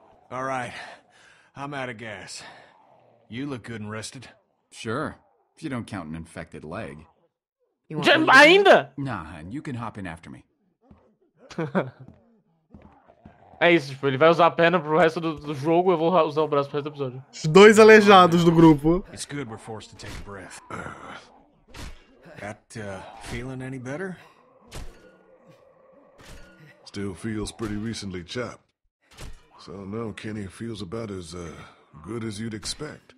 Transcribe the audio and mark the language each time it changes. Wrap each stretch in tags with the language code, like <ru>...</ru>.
<en>All right, I'm out of gas. You look good and rested. Sure. If you don't count an infected leg. You want Jim, ainda? Nah, hun, you can hop in after me.</en> <pt>É isso, tipo, ele vai usar a perna pro resto do jogo, eu vou usar o braço pro resto do episódio. Os dois aleijados do grupo.</pt> <en>It's good we're forced to take a breath. That feeling any better? Still feels pretty recently chapped. So no, Kenny feels about as good as you'd expect.</en>